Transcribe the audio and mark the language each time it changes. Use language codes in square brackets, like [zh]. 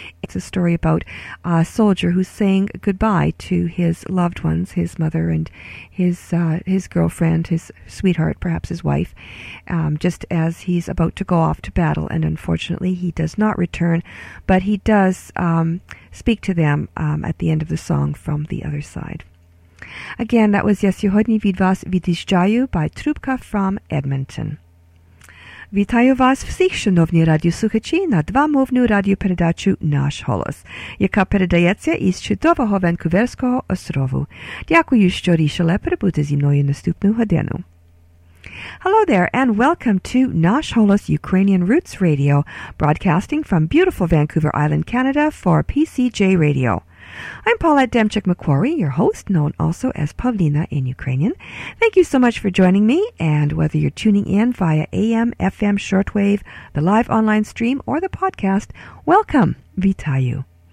[en] It's a story about a soldier who's saying goodbye to his loved ones, his mother and his girlfriend, his sweetheart, perhaps his wife, just as he's about to go off to battle, and unfortunately he does not return, but he does speak to them at the end of the song from the other side. Again, that was Я сьогодні від вас відіжджаю by Trubka from Edmonton. [uk] Вітаю вас всіх, шановні радіослухачі, на двомовну радіопередачу «Наш голос», яка передається із чудового Ванкуверського острову. Дякую, що рішили прибути зі мною наступну годину. [en] Hello there, and welcome to Nash Holos Ukrainian Roots Radio, broadcasting from beautiful Vancouver Island, Canada, for PCJ Radio. I'm Paulette Demchuk-McQuarrie, your host, known also as Pavlina in Ukrainian. Thank you so much for joining me, and whether you're tuning in via AM, FM, shortwave, the live online stream, or the podcast, welcome, vitaju.